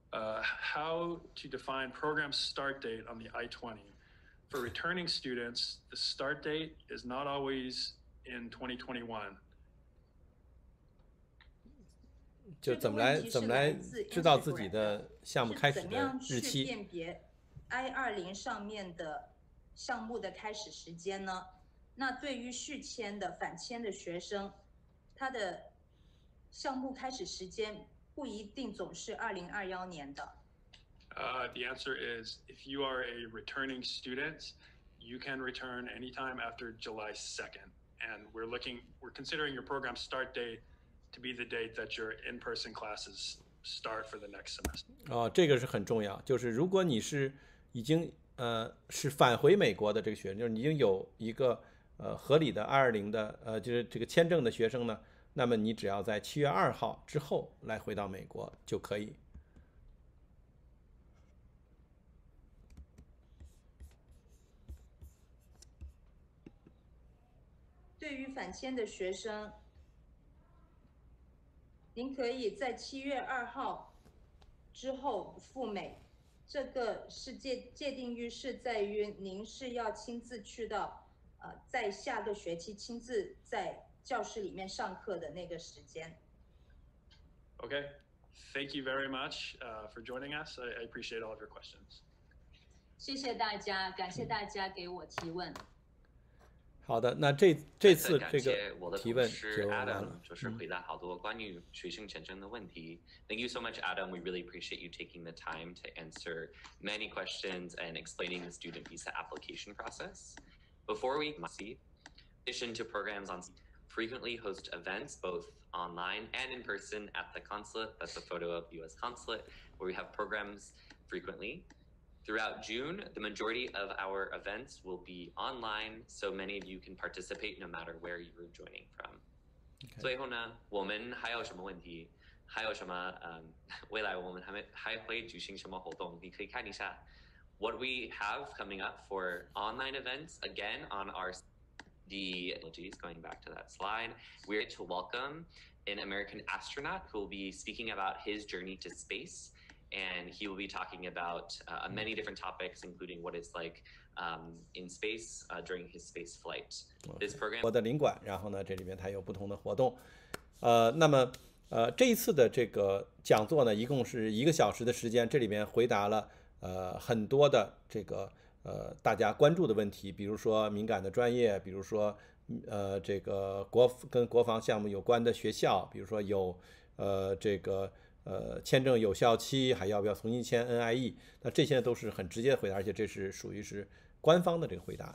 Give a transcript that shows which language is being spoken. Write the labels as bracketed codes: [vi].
[en] How to define program start date on the I-20? For returning students, the start date is not always in 2021. [zh] 就怎么来知道自己的项目开始的日期？是怎么样去辨别 I-20 上面的项目的开始时间呢？那对于续签的返签的学生，他的项目开始时间不一定总是2021年的。 [en] The answer is, if you are a returning student, you can return anytime after July 2nd. And we're considering your program start date to be the date that your in-person classes start for the next semester. [zh] 哦，这个是很重要，就是如果你是已经是返回美国的这个学生，就是你已经有一个合理的I-20的就是这个签证的学生呢，那么你只要在7月2日之后来回到美国就可以。对于返签的学生，您可以在7月2日之后赴美，这个是界定于是在于您是要亲自去到在下个学期亲自在教室里面上课的那个时间。 [en] Okay, thank you very much for joining us. I appreciate all of your questions. [zh] 谢谢大家，感谢大家给我提问。好的，那这次这个提问就完了。感谢我的同事 Adam， 就是回答好多关于学生签证的问题。 [en] Thank you so much, Adam. We really appreciate you taking the time to answer many questions and explaining the student visa application process. Before we proceed, mission to programs on frequently host events both online and in person at the consulate. That's a photo of the U.S. consulate where we have programs frequently. Throughout June, the majority of our events will be online, so many of you can participate no matter where you're joining from. [zh] 最后呢，我们还有什么问题？还有什么？未来我们还会举行什么活动？你可以看一下。 [en] What we have coming up for online events, again, on our apologies, going back to that slide, we're to welcome an American astronaut who will be speaking about his journey to space. And he will be talking about many different topics, including what it's like in space during his space flight. This program... [zh] 我的领馆，然后呢，这里面它有不同的活动。那么这一次的这个讲座呢，一共是一个小时的时间，这里面回答了很多的这个大家关注的问题，比如说敏感的专业，比如说这个跟国防项目有关的学校，比如说有这个签证有效期，还要不要重新签 NIE， 那这些都是很直接的回答，而且这是属于是官方的这个回答。